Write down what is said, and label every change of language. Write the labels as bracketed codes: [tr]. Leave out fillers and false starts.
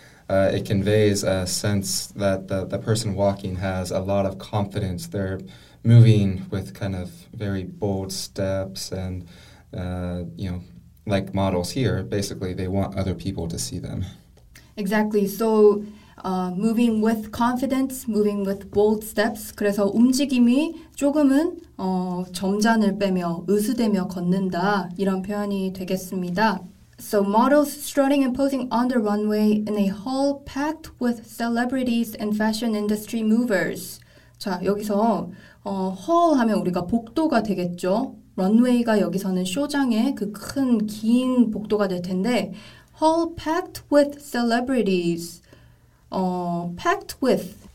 [en] It conveys a sense that the person walking has a lot of confidence. They're moving with kind of very bold steps and, you know, like models here, basically they want other people to see them. Exactly. So moving with confidence, moving with bold steps. [ko] 그래서 움직임이 조금은 점잔을 빼며 으스대며 걷는다 이런 표현이 되겠습니다. [en] So models strutting and posing on the runway in a hall packed with celebrities and fashion industry movers. [ko] 자, 여기서 hall 하면 우리가 복도가 되겠죠. Runway가 여기서는 쇼장의 그 큰 긴 복도가 될 텐데 [en] hall packed with celebrities. Packed with.